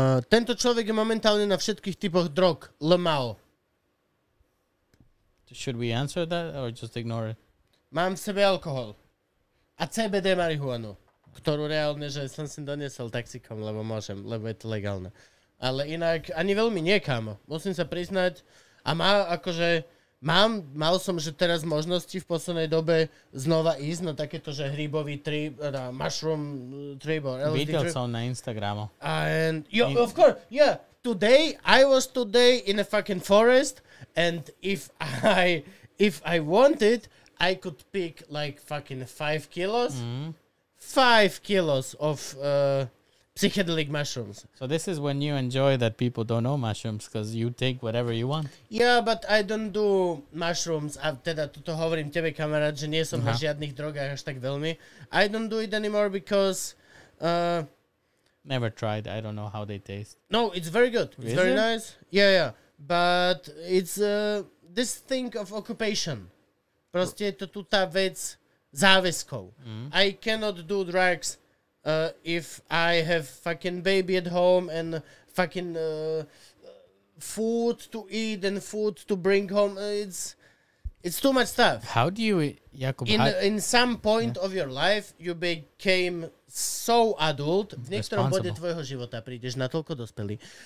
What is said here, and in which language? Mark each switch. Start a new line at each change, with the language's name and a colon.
Slovak: Tento človek je momentálne na všetkých typoch drog.
English: Lmao. Should we answer that or just ignore it?
Slovak: Mám v sebe alkohol. A CBD marihuanu. Ktorú reálne, že som si doniesol taxikom, lebo môžem, lebo je to legálne. Ale inak ani veľmi nie, kámo. Musím sa priznať. A má akože... Mal som, že teraz možnosti v poslednej dobe znova ísť na takéto, že hrybový trip,
English: mushroom trip.
Slovak: Videl som na Instagramu.
English: And of course, yeah. Today, I was today in a fucking forest and if I wanted, I could pick like fucking 5 kilos. Mm-hmm. 5 kilos of psychedelic mushrooms. So this is when you enjoy that people don't know mushrooms because you take whatever you want. Yeah, but I don't do mushrooms.
Slovak: A teda toto hovorím tebe, kamarát, že nie som na žiadnych drogách až tak veľmi.
English: I don't do it anymore because... Never tried. I don't know how they taste. No, it's very good. It's is very it? Nice. Yeah. But it's this thing of occupation.
Slovak: Proste je to tu tá vec záväzkov. Mm.
English: I cannot do drugs... if I have fucking baby at home and fucking food to eat and food to bring home, it's too much stuff. How do you, Jakub? In some point of your life, you became so adult.
Slovak: V niektorom bode tvojho života prídeš natoľko dospelý.